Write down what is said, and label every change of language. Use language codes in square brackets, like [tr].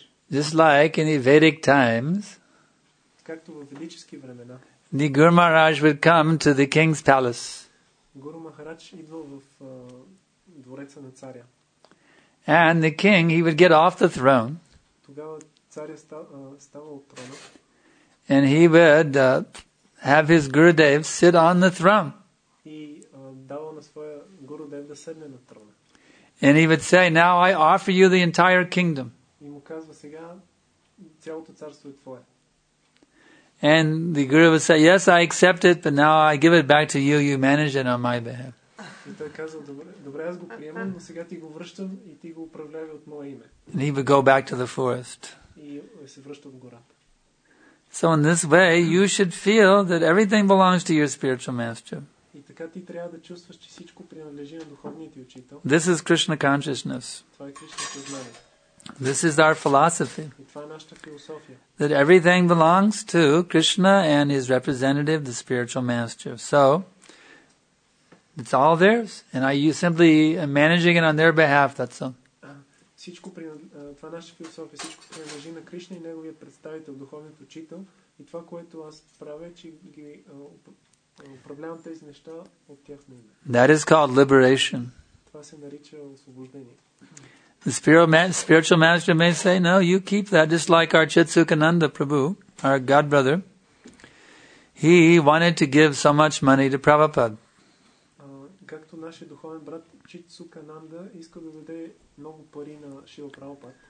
[en] Just like in the Vedic times, the Guru Maharaj would come to the king's palace. [bg] Guru Maharaj идва в двореца на царя. [en] And the king, he would get off the throne. [bg] Тогава царя става от трона. [en] And he would have his Gurudev sit on the throne. [bg] И дава на своя Gurudev да седне на трона. [en] And he would say, now I offer you the entire kingdom. [bg] И му казва, сега цялото царство е твое. [en] And the Guru would say, yes, I accept it, but now I give it back to you, you manage it on my behalf. [bg] И той казва, добре, аз го приемам, но сега ти го връщам и ти го управлявай от мое име. [en] And he would go back to the forest. [bg] И се връща в гората. [en] So in this way, you should feel that everything belongs to your spiritual master. [bg] И така ти трябва да чувстваш, че всичко принадлежи на духовния ти учител. [en] This is Krishna consciousness. [bg] Това е Кришна съзнание. [en] This is our philosophy. [bg] И това е нашата философия. [en] That everything belongs to Krishna and his representative, the spiritual master. So, it's all theirs, and I simply am managing it on their behalf, that's all. [bg] Всичко това е нашата философия, всичко принадлежи на Кришна и неговия представител, духовният учител. И това, което аз правя, че ги управлявам тези неща от тяхно име. [en] That is called liberation. [bg] Това се нарича освобождение. [en] The spiritual master may say, no, you keep that, just like our Chitsukananda Prabhu, our God brother. He wanted to give so much money to Prabhupada. [bg] Както нашия духовен брат Чицукананда иска да даде много пари на Шрила Прабхупада.